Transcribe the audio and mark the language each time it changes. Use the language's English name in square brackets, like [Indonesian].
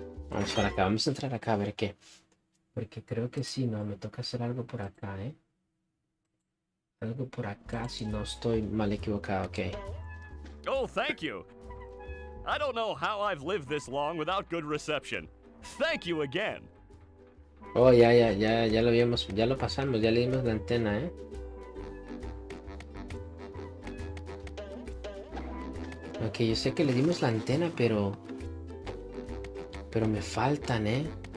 [Spanish] Vamos para acá, vamos a entrar acá a ver qué. Porque creo que sí, no, me toca hacer algo por acá, ¿eh? Algo por acá si no estoy mal equivocado, ok. [English] Oh, thank you. I don't know how I've lived this long without good reception. Thank you again. [Spanish] Oh, ya lo habíamos, ya lo pasamos, ya le dimos la antena, ¿eh? Ok, yo sé que le dimos la antena, pero... pero me faltan, ¿eh?